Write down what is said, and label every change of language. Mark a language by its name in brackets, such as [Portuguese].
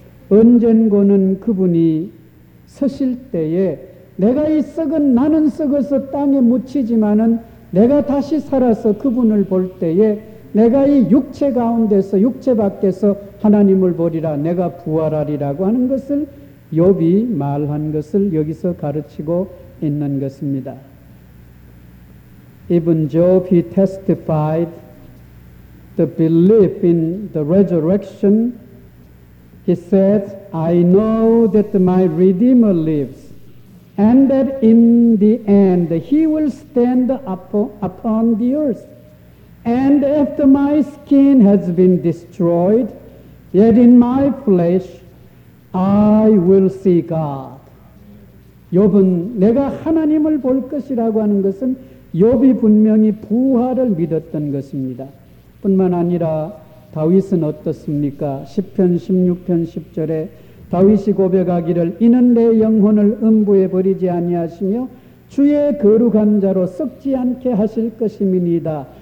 [Korean] 언젠고는 그분이 서실 때에 내가 이 썩은 나는 썩어서 땅에 묻히지만은 내가 다시 살아서 그분을 볼 때에 내가 이 육체 가운데서 육체 밖에서 하나님을 보리라, 내가 부활하리라고 하는 것을 욥이 말한 것을 여기서 가르치고 있는 것입니다. [English] Even Job, he testified the belief in the resurrection. He said, I know that my Redeemer lives, and that in the end he will stand upon the earth. And after my skin has been destroyed, yet in my flesh I will see God. [Korean] 욥은 내가 하나님을 볼 것이라고 하는 것은 욥이 분명히 부활을 믿었던 것입니다. 뿐만 아니라 다윗은 어떻습니까? 시편 16편 10절에 다윗이 고백하기를 이는 내 영혼을 음부에 버리지 아니하시며 주의 거룩한 자로 썩지 않게 하실 것임이니이다.